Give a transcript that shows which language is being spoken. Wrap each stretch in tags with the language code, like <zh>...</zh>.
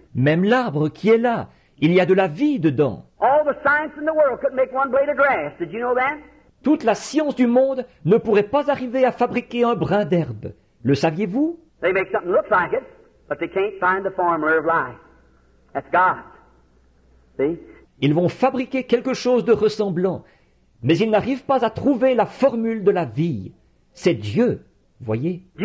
<fr>Même l'arbre qui est là, il y a de la vie dedans.</fr> <en>All the science in the world couldn't make one blade of grass. Did you know that?</en> <fr>Toute la science du monde ne pourrait pas arriver à fabriquer un brin d'herbe. Le saviez-vous?</fr> <en>They make something look like it, but they can't find the formula of life. That's God. See?</en> <fr>Ils vont fabriquer quelque chose de ressemblant, mais ils n'arrivent pas à trouver la formule de la vie. C'est Dieu, voyez.</fr>